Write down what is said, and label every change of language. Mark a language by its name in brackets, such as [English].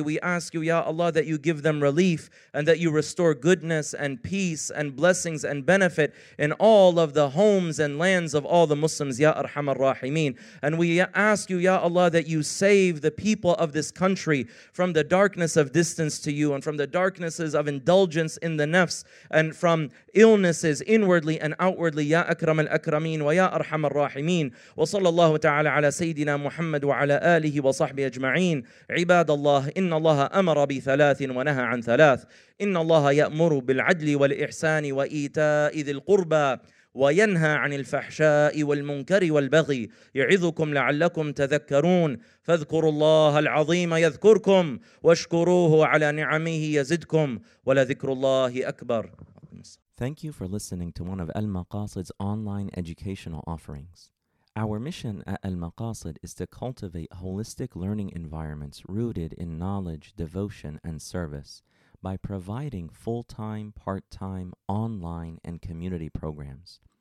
[English] We ask you, Ya Allah, that you give them relief and that you restore goodness and peace and blessings and benefit in all of the homes and lands of all the Muslims, [Arabic] Ya Arhamar Rahimeen. [English] And we ask you, Ya Allah, that you save the people of this country from the darkness of distance to you and from the darknesses of indulgence in the nafs and from illnesses inwardly and outwardly, [Arabic] Ya Akram al-Akrameen wa Ya Arhamar الراحمين. وصلى الله تعالى على سيدنا محمد وعلى آله وصحبه أجمعين. عباد الله، إن الله أمر بثلاث ونهى عن ثلاث. إن الله يأمر بالعدل والإحسان وإيتاء ذي القربى وينهى عن الفحشاء والمنكر والبغي يعظكم لعلكم تذكرون. فاذكروا الله العظيم يذكركم واشكروه على نعمه يزدكم ولذكر الله أكبر. [English] Thank you for listening to one of Al Maqasid's online educational offerings. Our mission at Al Maqasid is to cultivate holistic learning environments rooted in knowledge, devotion, and service by providing full-time, part-time, online, and community programs.